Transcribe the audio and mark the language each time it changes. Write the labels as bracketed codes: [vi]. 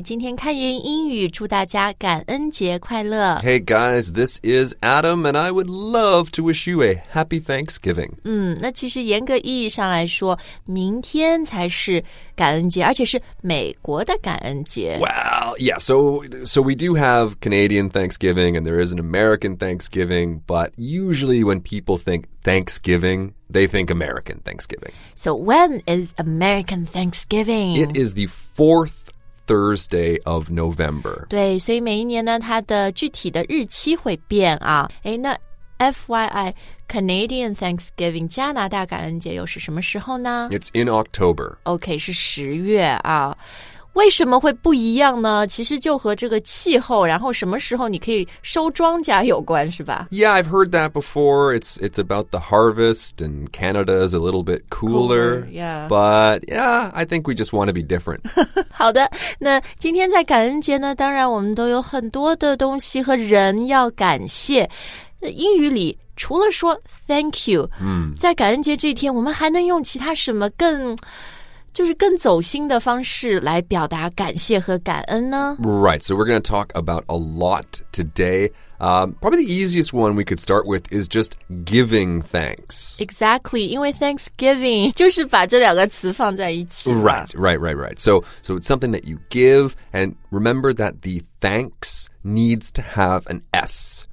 [zh] 今天开言英语，祝大家感恩节快乐。 [en] Hey guys, this is Adam, and I would love to wish you a happy Thanksgiving. [zh] 那其实严格意义上来说，明天才是感恩节，而且是美国的感恩节。 [en] Well, yeah, so we do have Canadian Thanksgiving, and there is an American Thanksgiving, but usually when people think Thanksgiving, they think American Thanksgiving. So when is American Thanksgiving? It is the fourth Thursday of November. [zh] 对，所以每一年呢，它的具体的日期会变啊。哎，那 [en] FYI, Canadian Thanksgiving, [zh] 加拿大感恩节又是什么时候呢？ [en] It's in October. [zh] Okay, 是十月啊。为什么会不一样呢？其实就和这个气候，然后什么时候你可以收庄稼有关，是吧？ [en] Yeah, I've heard that before. It's about the harvest, and Canada is a little bit cooler. Yeah. But yeah, I think we just want to be different. [zh] 好的，那今天在感恩节呢，当然我们都有很多的东西和人要感谢。英语里除了说 [en] thank you, [zh] 在感恩节这一天，我们还能用其他什么更就是更走心的方式来表达感谢和感恩呢？ [en] Right, so we're going to talk about a lot today. Probably the easiest one we could start with is just giving thanks. Exactly, [zh] 因为 Thanksgiving 就是把这两个词放在一起。 [en] Right. So it's something that you give, and remember that the thanks needs to have an S.